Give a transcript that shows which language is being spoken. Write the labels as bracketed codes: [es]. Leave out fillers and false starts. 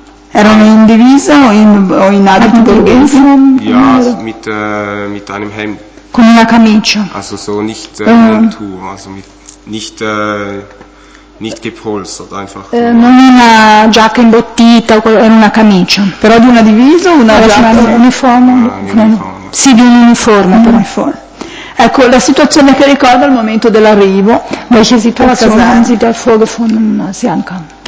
[it] Erano in divisa o in abiti borghesi? [de] Ja, mit einem Hemd. [it] Con una camicia. [de] Also so nicht Montur, also mit, nicht nicht gepolstert, einfach. [it] Non una giacca imbottita, era una camicia. Però di una divisa o una giacca? Di un uniforme. Ecco, la situazione che ricorda al momento dell'arrivo. [de] Welche Situation haben Sie davor gefunden, als Sie ankamen?